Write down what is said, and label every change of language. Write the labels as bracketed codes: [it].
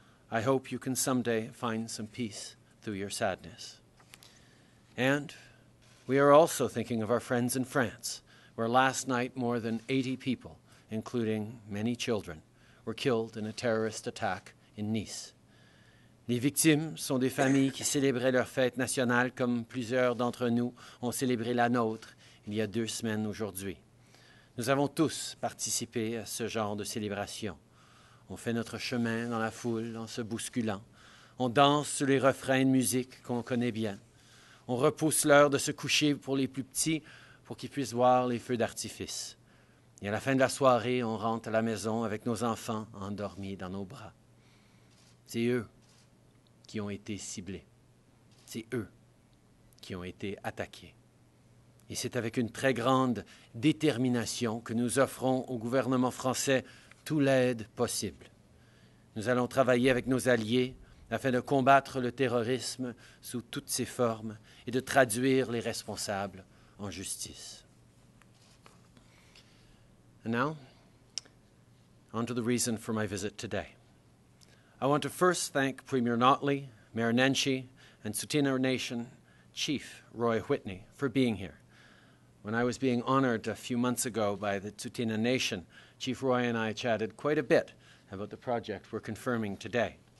[en] I hope you can someday find some peace through your sadness. And we are also thinking of our friends in France, where last night more than 80 people, including many children, were killed in a terrorist attack in Nice. [fr] Les victimes sont des familles qui célébraient leur fête nationale comme plusieurs d'entre nous ont célébré la nôtre il y a deux semaines aujourd'hui. Nous avons tous participé à ce genre de célébration. On fait notre chemin dans la foule en se bousculant. On danse sous les refrains de musique qu'on connaît bien. On repousse l'heure de se coucher pour les plus petits pour qu'ils puissent voir les feux d'artifice. Et à la fin de la soirée, on rentre à la maison avec nos enfants endormis dans nos bras. C'est eux qui ont été ciblés. C'est eux qui ont été attaqués. Et c'est avec une très grande détermination que nous offrons au gouvernement français tout l'aide possible. Nous allons travailler avec nos alliés afin de combattre le terrorisme sous toutes ses formes et de traduire les responsables en justice. [en] And now, on to the reason for my visit today. I want to first thank Premier Notley, Mayor Nenshi, and Tsuut'ina Nation Chief Roy Whitney for being here. When I was being honored a few months ago by the Tsuut'ina Nation, Chief Roy and I chatted quite a bit about the project we're confirming today.